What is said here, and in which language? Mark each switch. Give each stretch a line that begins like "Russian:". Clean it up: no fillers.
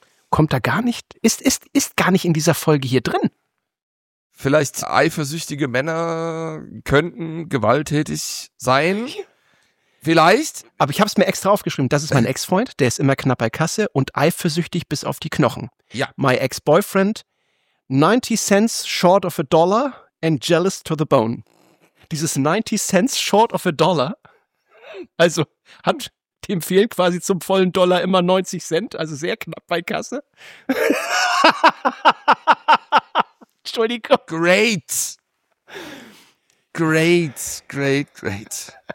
German: Kommt da gar nicht, ist gar nicht in dieser Folge hier drin. Vielleicht eifersüchtige Männer könnten gewalttätig sein. Vielleicht. Aber ich habe es mir extra aufgeschrieben. Das ist mein Ex-Freund, der ist immer knapp bei Kasse und eifersüchtig bis auf die Knochen. Ja.
English: My ex-boyfriend, 90 cents short of a dollar and jealous to the bone.
German: Dieses
English: 90 cents short of a dollar,
German: also hat dem fehlt quasi zum vollen Dollar immer 90 Cent, also sehr knapp bei Kasse. Entschuldigung.
English: Great. Great, great, great.